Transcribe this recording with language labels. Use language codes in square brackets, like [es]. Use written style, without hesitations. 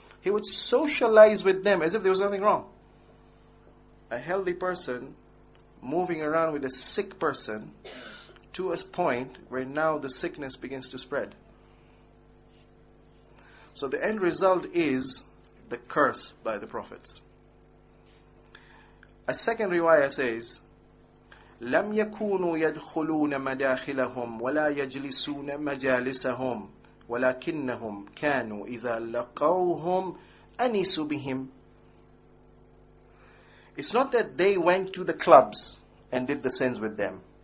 [en] He would socialize with them as if there was nothing wrong. A healthy person moving around with a sick person to a point where now the sickness begins to spread. So the end result is the curse by the prophets. A second riwayah says, [ar] لَمْ يَكُونُوا يَدْخُلُونَ مَدَاخِلَهُمْ وَلَا يَجْلِسُونَ مَجَالِسَهُمْ وَلَكِنَّهُمْ كَانُوا إِذَا لَقَوْهُمْ أَنِسُ بِهِمْ. [en] It's not that they went to the clubs and did the sins with them.